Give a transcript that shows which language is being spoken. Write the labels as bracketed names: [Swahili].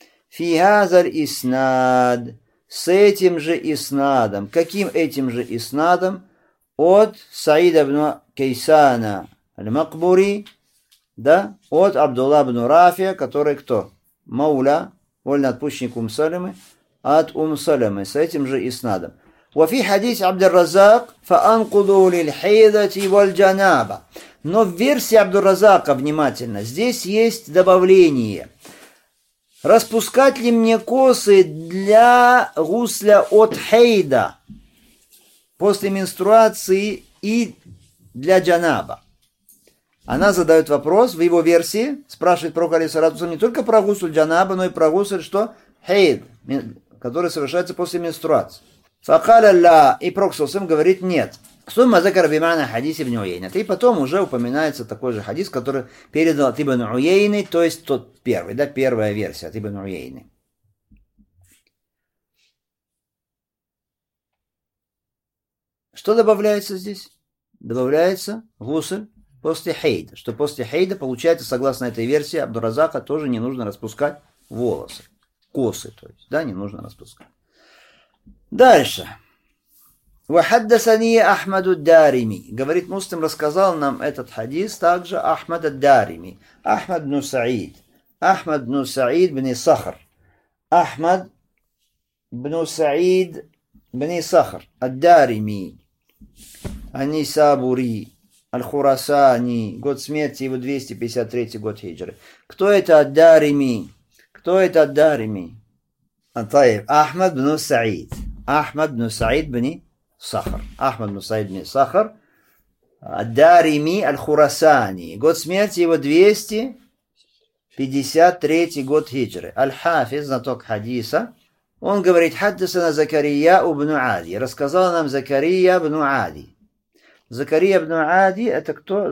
[Russian] Фихазаль Иснад. С этим же Иснадом. Каким этим же Иснадом? От Саида ибн Кейсана Аль-Макбури. Да? От Абдулла ибн Рафия, который кто? Мауля, вольноотпущенник Умсалимы. От Ум-Салямы, с этим же иснадом. [Arabic] وفي حديث عبد الرزاق فأنقذوا للحيضة والجنابة. [Russian] Но в версии Абдур-Разака, внимательно, здесь есть добавление. Распускать ли мне косы для гусля от хейда после менструации и для джанаба? Она задает вопрос в его версии, спрашивает про Калисарату, не только про гусль джанаба, но и про гусль что? Хейд, который совершается после менструации. Факаля ла, и Пророк говорит: нет. Сумма закара бимана хадис ибн Уейна. И потом уже упоминается такой же хадис, который передал от ибн Уейны, то есть тот первый, да, первая версия от ибн Уейны. Что добавляется здесь? Добавляется гусль после хейда. Что после хейда получается, согласно этой версии, Абдуразака тоже не нужно распускать волосы. Косы, то есть, да, не нужно распускать. Дальше. [Arabic] وحدثني احمد الدارمي [Russian] говорит муслим рассказал нам этот хадис также [Arabic] احمد الدارمي احمد بن سعيد احمد بن سعيد بن صخر احمد بن سعيد بن صخر الدارمي النيسابوري الخراساني [Russian] год смерти его 253 год хиджры кто это [Arabic] الدارمي [Russian] кто это [Arabic] الدارمي طيب احمد بن سعيد احمد بن سعيد بن Сахар. [Russian] Ахмад Мусаид бин Сахар. Дарими Аль-Хурасани. Год смерти его 253 год хиджры. Аль-Хафиз, знаток хадиса. Он говорит, хаддасана Закария ибн Ади. Рассказал нам Закария ибн Ади. Закария ибн Ади, это кто?